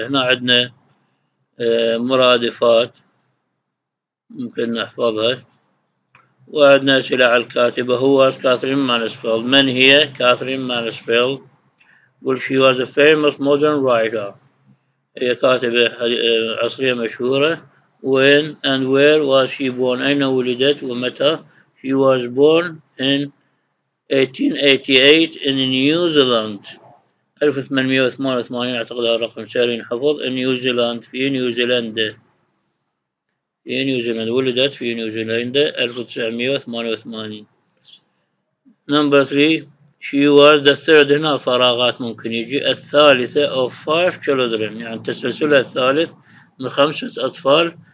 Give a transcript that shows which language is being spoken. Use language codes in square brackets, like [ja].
[ar] هنا عندنا مرادفات ممكن نحفظها، وعندنا أسئلة على الكاتبة. هو كاثرين مانسفيلد، من هي كاثرين مانسفيلد؟ [en] Well, she was a famous modern writer. [ar] هي كاتبة عصرية مشهورة. [en] When and where was she born؟ [ar] أين ولدت ومتى؟ [en] She was born in 1888 in New Zealand. [ar] 1888 أعتقد هذا رقم سهل حفظ. [en] In New Zealand، [ar] في نيوزيلندا. في نيوزيلندا، ولدت في نيوزيلندا 1988. [en] Number three. She was the third. [ar] هنا فراغات ممكن يجي. الثالثة [en] of five children، [ar] يعني تسلسل الثالث من خمسة أطفال.